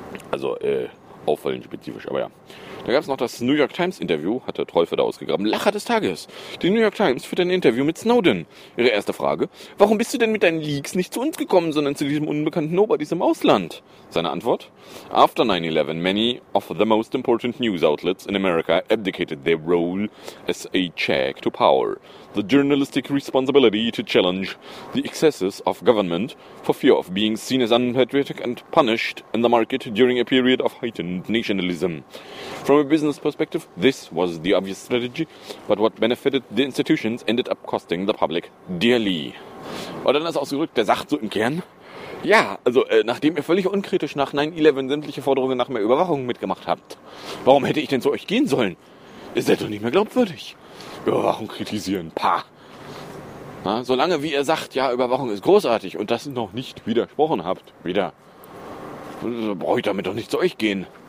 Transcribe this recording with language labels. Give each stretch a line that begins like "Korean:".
German: Also, auffallend spezifisch, aber ja. Da gab es noch das New York Times Interview, hat der Trollfeder ausgegraben. Lacher des Tages. Die New York Times führt ein Interview mit Snowden. Ihre erste Frage: Warum bist du denn mit deinen Leaks nicht zu uns gekommen, sondern zu diesem unbekannten Nobodies im Ausland? Seine Antwort:
English: After 9/11, many of the most important news outlets in America abdicated their role as a check to power. The journalistic responsibility to challenge the excesses of government for fear of being seen as unpatriotic and punished in the market during a period of heightened nationalism. From a business perspective, this was the obvious strategy, but what benefited the institutions ended up costing the public dearly.
German: Und dann ist ausgedrückt, der sagt so im Kern, ja, also nachdem ihr völlig unkritisch nach 9/11 sämtliche Forderungen nach mehr Überwachung mitgemacht habt, warum hätte ich denn zu euch gehen sollen? Ihr seid doch nicht mehr glaubwürdig. Überwachung kritisieren, pah. Na, solange wie ihr sagt, ja, Überwachung ist großartig und das noch nicht widersprochen habt, wieder, brauche ich damit doch nicht zu euch gehen.